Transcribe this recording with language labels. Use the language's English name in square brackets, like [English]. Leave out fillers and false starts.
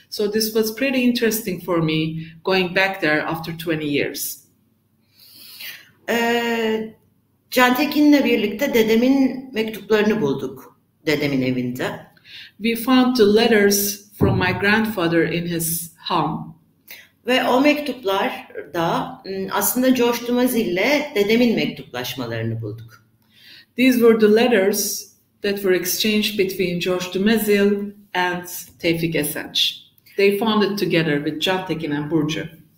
[English] So this was pretty interesting for me going back there after 20 years. [Turkish] Cantekin'le birlikte dedemin mektuplarını bulduk dedemin evinde. [English] We found the letters from my grandfather in his home. [Turkish] Ve o mektuplar da aslında Josh Dumas ile dedemin mektuplaşmalarını bulduk. [English] These were the letters that were exchanged between Josh Dumas and Tevifik Esenç. They found it together with Cantekin and Burcu.